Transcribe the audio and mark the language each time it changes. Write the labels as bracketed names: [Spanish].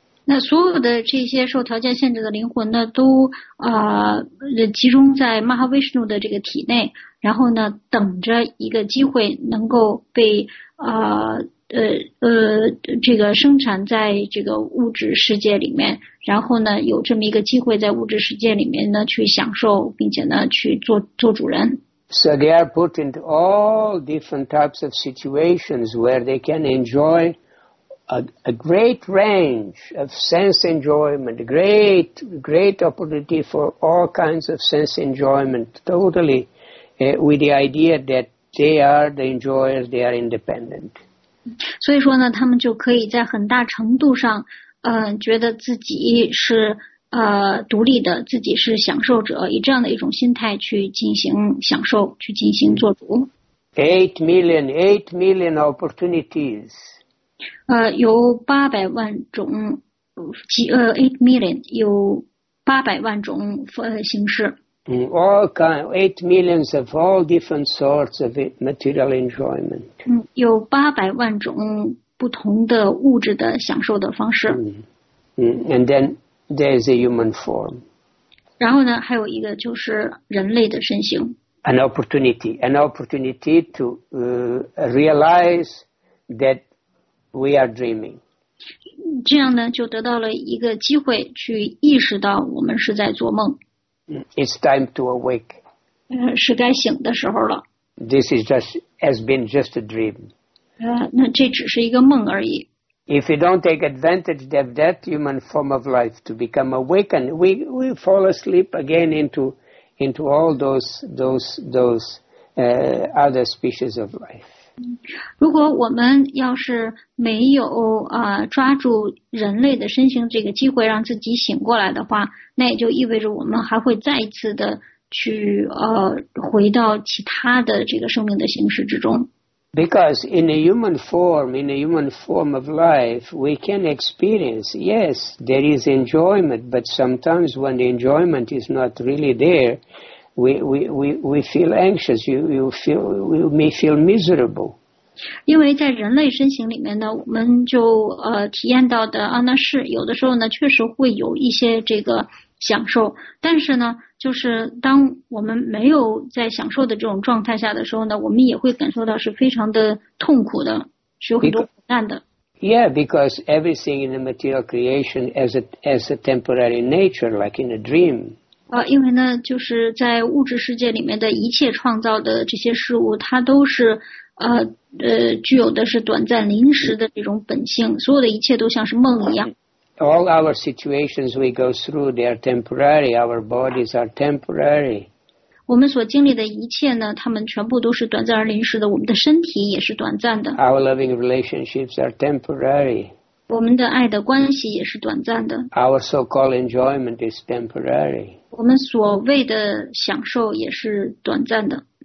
[Chinese] 那所有的这些受条件限制的灵魂呢，都集中在 Mahavishnu 的这个体内，然后呢，等着一个机会能够被这个生产在这个物质世界里面，然后呢有这么一个机会在物质世界里面呢去享受，并且呢去做主人。 [English] So they are put into all different types of situations where they can enjoy a great range of sense enjoyment, great opportunity for all kinds of sense enjoyment, totally, with the idea that they are the enjoyers, they are independent. [Chinese] 所以说呢，他们就可以在很大程度上，觉得自己是独立的，自己是享受者，以这样的一种心态去进行享受，去进行做主。 [English] 8 million opportunities。 [Chinese] 有800万种 [English] 8 million [Chinese] 有800万种形式。 [English] All kind, 8 millions of all different sorts of material enjoyment. [Chinese] 有800万种不同的物质的享受的方式。 [English] And then there is a human form. [Chinese] 然后呢，还有一个就是人类的身形。 [English] An opportunity to realize that we are dreaming. [Chinese] 这样呢，就得到了一个机会去意识到我们是在做梦。 [English] It's time to awake. [Chinese] 是该醒的时候了。 [English] This is just has been just a dream. [Chinese] 那这只是一个梦而已。 [English] If you don't take advantage of that human form of life to become awakened, we fall asleep again into all those other species of life. [Chinese] 如果我们要是没有抓住人类的身形这个机会让自己醒过来的话，那也就意味着我们还会再一次的去回到其他的这个生命的形式之中。 [English] Because in a human form, in a human form of life, we can experience, yes, there is enjoyment, but sometimes when the enjoyment is not really there, we feel anxious, you may feel miserable. [Chinese] 因为在人类身形里面呢，我们就体验到的啊，那是有的时候呢，确实会有一些这个享受。但是呢，就是当我们没有在享受的这种状态下的时候呢，我们也会感受到是非常的痛苦的，是有很多苦难的。 [English] Yeah, because everything in the material creation as a temporary nature, like in a dream. [Chinese] 因为呢，就是在物质世界里面的一切创造的这些事物，它都是。具有的是短暂临时的这种本性，所有的一切都像是梦一样。 [English] All our situations we go through, they are temporary. Our bodies are temporary. [Chinese] 我们所经历的一切呢，他们全部都是短暂而临时的。我们的身体也是短暂的。 [English] Our loving relationships are temporary. [Chinese] 我们的爱的关系也是短暂的。 [English] Our so-called enjoyment is temporary. [Chinese] 我们所谓的享受也是短暂的。